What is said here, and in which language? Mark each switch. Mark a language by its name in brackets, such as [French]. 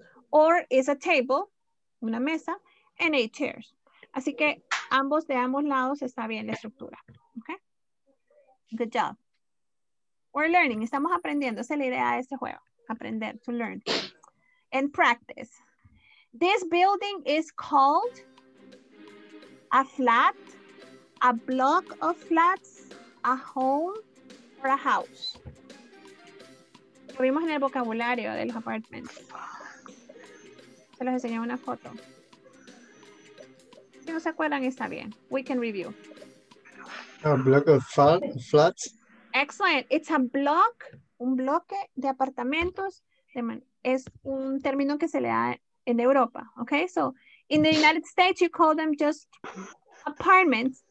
[English] Or is a table, [Spanish] una mesa, [English] and 8 chairs. [Spanish] Así que ambos de ambos lados está bien la estructura, okay? Good job. We're learning, estamos aprendiendo, esa es la idea de este juego, aprender, to learn, and practice. [English] This building is called a flat, a block of flats, a home, or a house. [Spanish] Lo vimos en el vocabulario de los apartments. Se los enseñé una foto. Si no se acuerdan, está bien. [English] We can review. A block of flats. Excellent. It's a block, [Spanish] un bloque de apartamentos. Es un término que se le da en Europa. [English] Okay, so in the United States, you call them just apartments.